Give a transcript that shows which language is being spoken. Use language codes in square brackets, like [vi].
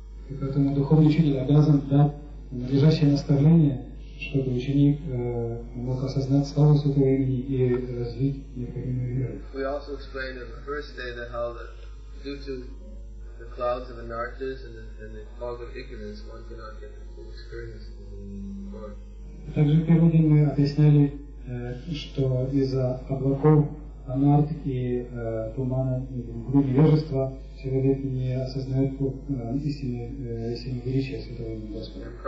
[ru] И поэтому духовный учитель обязан дать надлежащее наставление, чтобы ученик мог осознать славу Святого Имени и развить необходимую веру. [en] We also explained on the first day that how that due to the clouds of anarchas and the fog of ignorance, one cannot get the full experience of the Lord. [ru] Также в первый день мы объясняли, что из-за облаков анарх и тумана и невежества человек не осознает истинное величие Святого Имени Господа.